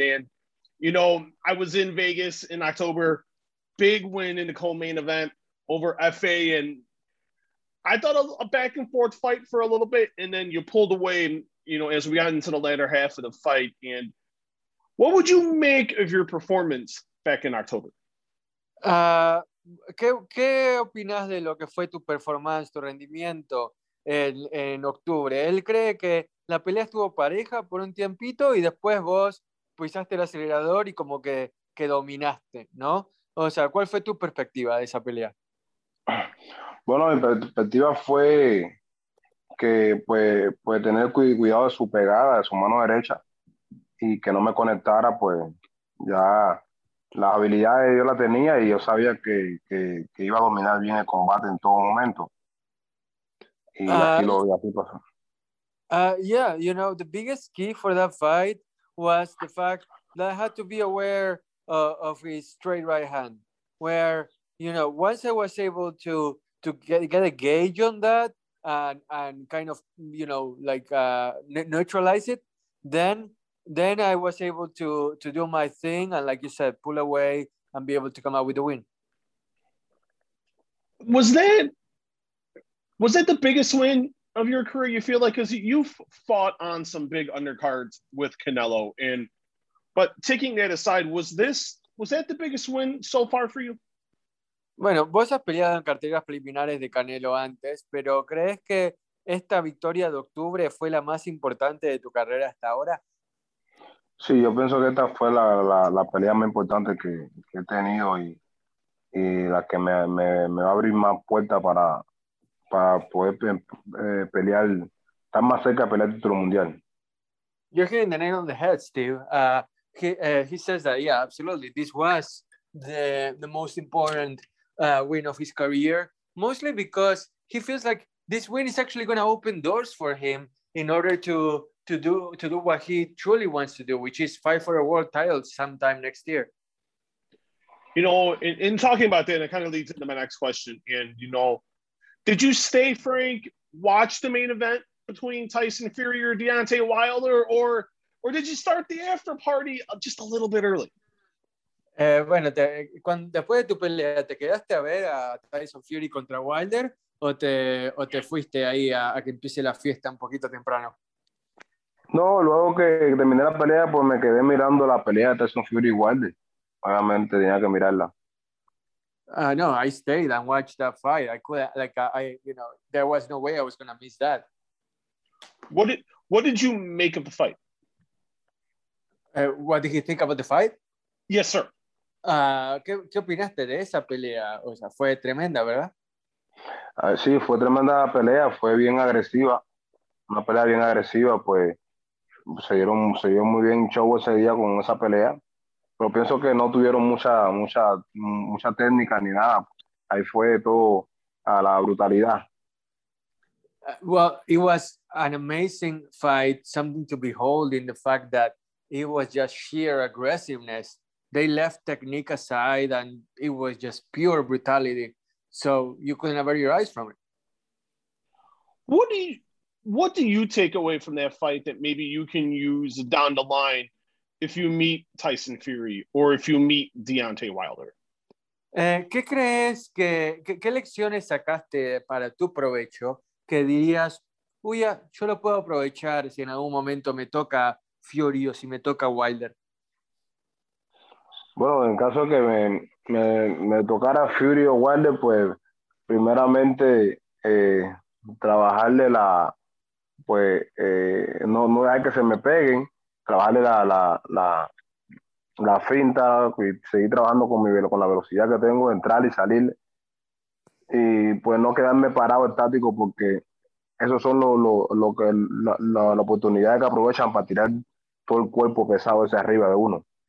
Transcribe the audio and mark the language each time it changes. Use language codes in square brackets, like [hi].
[en] And I was in Vegas in October, big win in the co-main event over FA, and I thought a back and forth fight for a little bit, and then you pulled away, and as we got into the latter half of the fight. And what would you make of your performance back in October? [es] ¿Qué opinas de lo que fue tu performance, tu rendimiento en octubre? Él cree que la pelea estuvo pareja por un tiempito y después vos pisaste el acelerador y como que dominaste, ¿no? O sea, ¿cuál fue tu perspectiva de esa pelea? Bueno, mi perspectiva fue que pues tener cuidado de su pegada, de su mano derecha, y que no me conectara, pues ya las habilidades yo las tenía y yo sabía que iba a dominar bien el combate en todo momento. Y así lo vi, así pasó. [en] The biggest key for that fight was the fact that I had to be aware of his straight right hand, where once I was able to get a gauge on that and kind of neutralize it, then I was able to do my thing and, like you said, pull away and be able to come out with the win. Was that the biggest win of your career, you feel like? Because you've fought on some big undercards with Canelo, and but taking that aside, was that the biggest win so far for you? [es] Bueno, vos has peleado en carteras preliminares de Canelo antes, pero ¿crees que esta victoria de octubre fue la más importante de tu carrera hasta ahora? Sí, yo pienso que esta fue la pelea más importante que he tenido y la que me va a abrir más puertas para poder pelear, estar más cerca de pelear el título mundial. [en] You're hitting the nail on the head, Steve. He says that, yeah, absolutely. This was the most important win of his career, mostly because he feels like this win is actually going to open doors for him in order to do what he truly wants to do, which is fight for a world title sometime next year. In talking about that, it kind of leads into my next question. And did you stay, Frank, watch the main event between Tyson Fury or Deontay Wilder, or did you start the after party just a little bit early? [es] Bueno, después de tu pelea, ¿te quedaste a ver a Tyson Fury contra Wilder o te fuiste ahí a que empiece la fiesta un poquito temprano? No, luego que terminé la pelea, pues me quedé mirando la pelea de Tyson Fury y Wilder. Obviamente tenía que mirarla. [en] No, I stayed and watched that fight. I could, like, there was no way I was gonna miss that. What did you make of the fight? What did he think about the fight? Yes, sir. [es] ¿Qué opinaste de esa pelea? O sea, fue tremenda, ¿verdad? Sí, fue tremenda la pelea, fue bien agresiva, una pelea bien agresiva, pues se dio muy bien show ese día con esa pelea, pero pienso que no tuvieron mucha técnica ni nada, ahí fue todo a la brutalidad. [en] Well, it was an amazing fight, something to behold in the fact that it was just sheer aggressiveness. They left technique aside and it was just pure brutality. So you couldn't avert your eyes from it. What do you take away from that fight that maybe you can use down the line if you meet Tyson Fury or if you meet Deontay Wilder? [es] ¿Qué crees que qué lecciones sacaste para tu provecho que dirías, uy, yo lo puedo aprovechar si en algún momento me toca Fury o si me toca Wilder? Bueno, en caso que me tocara Fury o Wilder, pues primeramente trabajarle la, pues no dejar que se me peguen, trabajarle la finta, seguir trabajando con la velocidad que tengo, entrar y salir, y pues no quedarme parado estático, porque esos son las oportunidades que aprovechan para tirar todo el cuerpo pesado hacia arriba de uno.